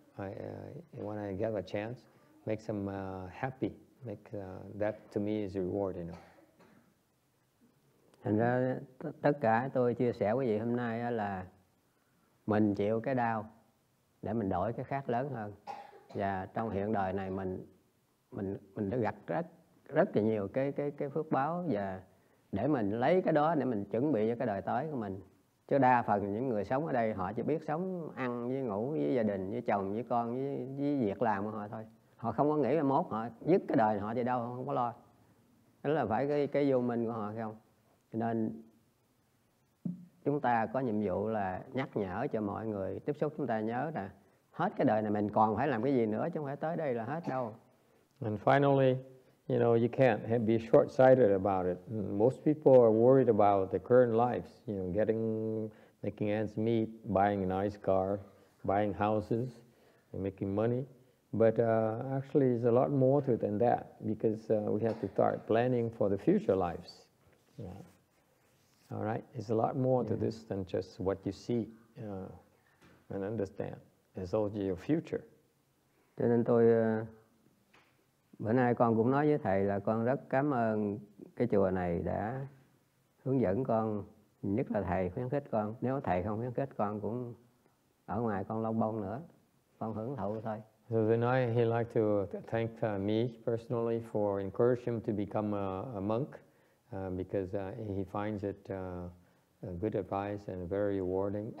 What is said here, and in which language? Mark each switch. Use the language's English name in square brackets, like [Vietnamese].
[English] I when I get a chance, makes them happy. That to me is a reward, you know. [Vietnamese] Thành ra tất cả tôi chia sẻ với vị hôm nay là mình chịu cái đau để mình đổi cái khác lớn hơn. Và trong hiện đời này mình đã gặt rất là nhiều cái phước báo, và để mình lấy cái đó để mình chuẩn bị cho cái đời tới của mình. Chứ đa phần những người sống ở đây họ chỉ biết sống ăn với ngủ với gia đình với chồng với con với việc làm của họ thôi. Họ không có nghĩ là mốt họ dứt cái đời họ thì đâu không có lo. Đó là phải cái vô minh của họ không? Nên chúng ta có nhiệm vụ là nhắc nhở cho mọi người tiếp xúc chúng ta nhớ là hết cái đời này mình còn phải làm cái gì nữa, chứ không phải tới đây là hết đâu. [English] And finally, you know, you can't be short-sighted about it. Most people are worried about the current lives, you know, making ends meet, buying a nice car, buying houses, and making money. But actually, there's a lot more to it than that, because we have to start planning for the future lives. Yeah. All right? There's a lot more to this than just what you see and understand. It's also your future. [Vietnamese] Cho nên tôi... bữa nay con cũng nói với thầy là con rất cảm ơn cái chùa này đã hướng dẫn con, nhất là thầy khuyến khích con. Nếu thầy không khuyến khích con cũng ở ngoài con lông bông nữa, con hưởng thụ thôi. [English] So the night he liked to thank me personally for encouraging him to become a monk, because he finds it a good advice and very rewarding.